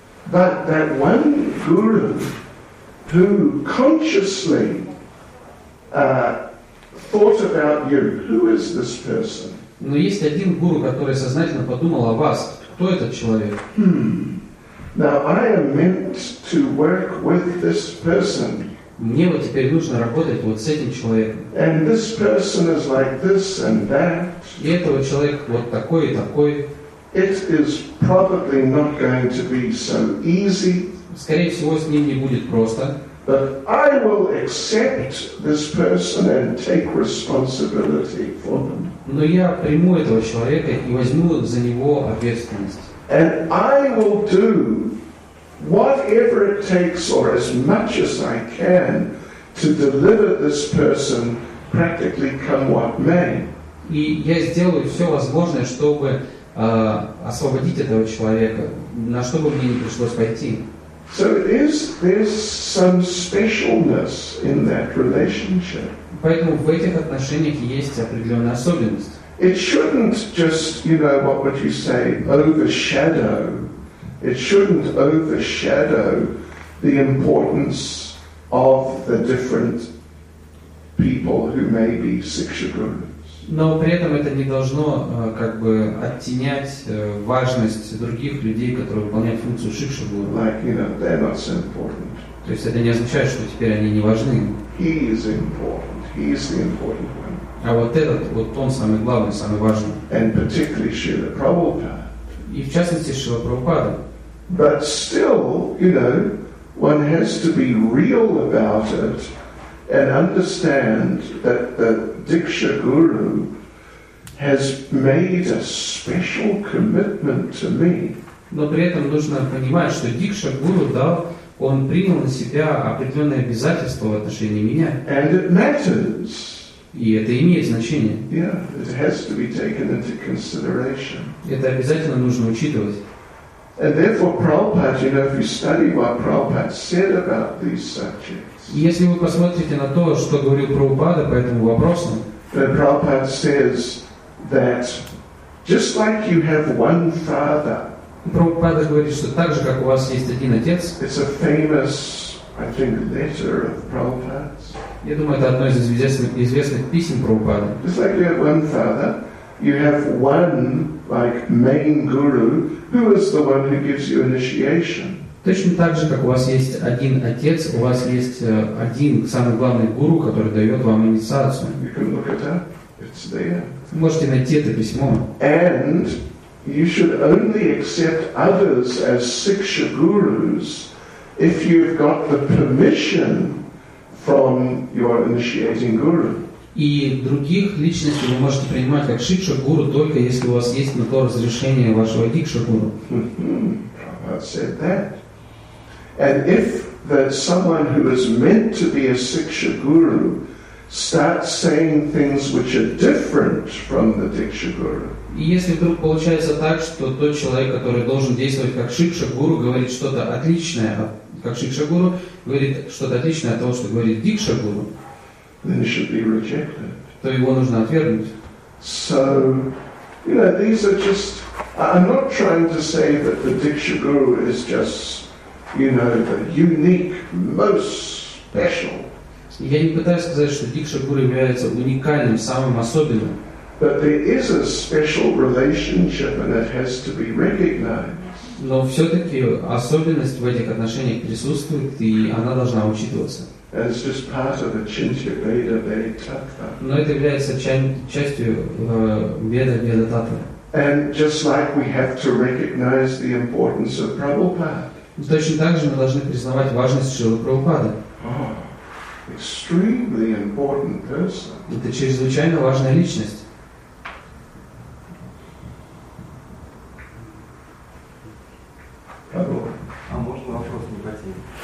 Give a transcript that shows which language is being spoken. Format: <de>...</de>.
<en>But that one guru who consciously thought about you, who is this person?</en> <ru>Но есть один гуру, который сознательно подумал о вас. Кто этот человек?</ru> <en>Now I am meant to work with this person.</en> <ru>Мне вот теперь нужно работать вот с этим человеком.</ru> <en>And this person is like this and that.</en> <ru>И этого человека вот такой и такой.</ru> <en>It is probably not going to be so easy.</en> <ru>Скорее всего, с ним не будет просто.</ru> <en>But I will accept this person and take responsibility for them.</en> <ru>Но я приму этого человека и возьму за него ответственность.</ru> <en>And I will do whatever it takes or as much as I can to deliver this person practically come what may.</en> <ru>И я сделаю все возможное, чтобы освободить этого человека, на что бы мне не пришлось пойти.</ru> <en>So is there some specialness in that relationship?</en> <ru>Поэтому в этих отношениях есть определенная особенность.</ru> <en>It shouldn't just, you know, what would you say, overshadow. It shouldn't overshadow the importance of the different people who may be Siksha gurus.</en> <ru>Но при этом это не должно как бы оттенять важность других людей, которые выполняют функцию Siksha guru.</ru> <en>Like, you know, they're not so important.</en> <ru>То есть это не означает, что теперь они не важны.</ru> <en>He is important. He is the important one.</en> <ru>А вот этот, вот он самый главный, самый важный.</ru> <en>And particularly Srila Prabhupada.</en> <ru>И в частности Srila Prabhupada.</ru> <en>But still, you know, one has to be real about it and understand that the Diksha Guru has made a special commitment to me.</en> <ru>Но при этом нужно понимать, что Диксха Гуру дал, он принял на себя определенные обязательства в отношении меня.</ru> <en>And it matters.</en> <ru>И это имеет значение.</ru> <en>Yeah, it has to be taken into consideration.</en> <ru>Это обязательно нужно учитывать.</ru> <en>And therefore, Prabhupada, you know, if you study what Prabhupada said about these subjects.</en> <ru>Если вы посмотрите на то, что говорил Прабхупада по этому вопросу,</ru> <en>Prabhupada says that just like you have one father.</en> <ru>Прабхупада говорит, что так же, как у вас есть один отец.</ru> <en>It's a famous I think later of Prabhupada's.</en> <ru>Я думаю, это одно из известных писем Прабхупады.</ru> <en>Just like you have one father, you have one like main guru, who is the one who gives you initiation.</en> <ru>Точно так же, как у вас есть один отец, у вас есть один самый главный гуру, который дает вам инициацию.</ru> <en>You can look it up. It's there.</en> <ru>Вы можете найти это письмо.</ru> <en>And you should only accept others as siksha gurus if you've got the permission from your initiating guru.</en> <ru>И других личностей вы можете принимать как шикша гуру только если у вас есть на то разрешение вашего дикша гуру.</ru> <en>Prabhupada said that. And if that someone who is meant to be a siksha guru starts saying things which are different from the diksha guru.</en> <ru>И если вдруг получается так, что тот человек, который должен действовать как шикша гуру, говорит что-то отличное, как шикша гуру, говорит что-то отличное от того, что говорит дикша гуру,</ru> <en>then it should be rejected.</en> <ru>То его нужно отвергнуть.</ru> <en>So, you know, these are just, I'm not trying to say that the diksha guru is just, you know, the unique, most special.</en> <ru>Я не пытаюсь сказать, что дикша гуру является уникальным, самым особенным.</ru> <en>But there is a special relationship and it has to be recognized.</en> <ru>Но все-таки особенность в этих отношениях присутствует, и она должна учитываться.</ru> <en>And it's just part of the Chintya Veda Veda Tattva.</en> <ru>Но это является частью Веда Веда Таттвы.</ru> <en>And just like we have to recognize the importance of Prabhupada.</en> <ru>Точно так же мы должны признавать важность Шрилы Прабхупады.</ru> <en>Oh, extremely important person.</en> <ru>Это чрезвычайно важная личность. А можно вопрос не по теме?</ru>